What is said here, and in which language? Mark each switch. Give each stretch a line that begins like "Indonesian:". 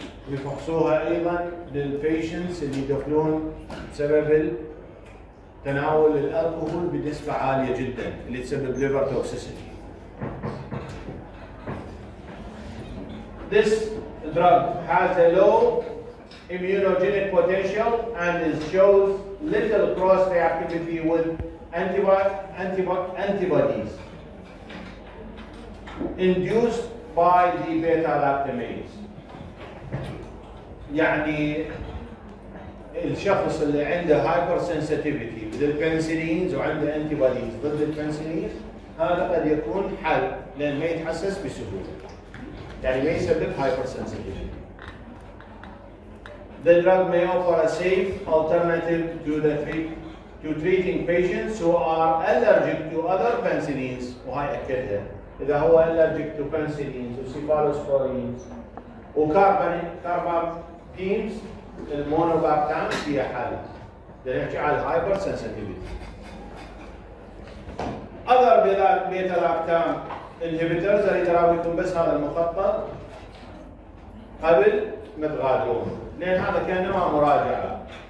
Arabic: يفحصوها أيضا للpatients اللي يدخلون بسبب تناول الكحول بنسبة عالية جدا اللي تسبب liver toxicity.
English: This drug has a low immunogenic potential and it shows little cross reactivity with antibodies induced by the beta lactamase.
Arabic: يعني الشخص اللي عنده hypersensitivity ضد البنسلينز وعنده antibodies ضد البنسلينز هذا قد يكون حل، لان ما يتحسس بسهوله، يعني ما يسبب hypersensitivity.
English: The drug may offer a safe alternative to the treating patients who are allergic to other penicillins.
Arabic: وهي أكدها، إذا هو
English: allergic to penicillins
Arabic: وcephalosporins وcarbapenems المونوبابتامس هي حالة، لنحكي على hypersensitivity.
English: Other beta-lactam inhibitors
Arabic: اللي تراويكم بس هذا المخطط قبل ما تغادرون، لأن هذا كان نوع مراجعة.